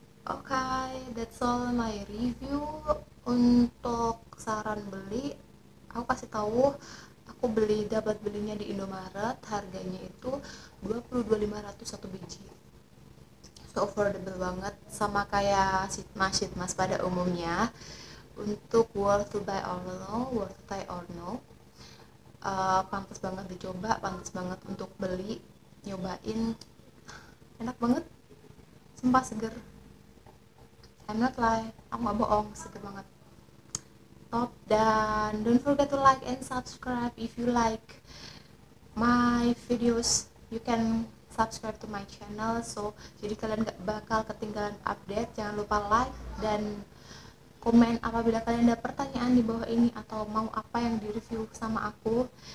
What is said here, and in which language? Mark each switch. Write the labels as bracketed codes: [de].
[en] Okay, that's all my review. [id] Untuk saran beli, aku kasih tahu, aku dapat belinya di Indomaret, harganya itu Rp22.500 satu biji. So affordable banget, sama kayak sheet mask pada umumnya. [en] Untuk worth to try or no. [id] Pantas banget dicoba, pantas banget untuk beli, nyobain. Enak banget. Sumpah seger. [en] I'm not lying, [id] aku gak bohong, seger banget. [en] Top, dan don't forget to like and subscribe. If you like my videos, you can subscribe to my channel. [id] So, jadi kalian gak bakal ketinggalan update. Jangan lupa like dan komen apabila kalian ada pertanyaan di bawah ini atau mau apa yang di review sama aku.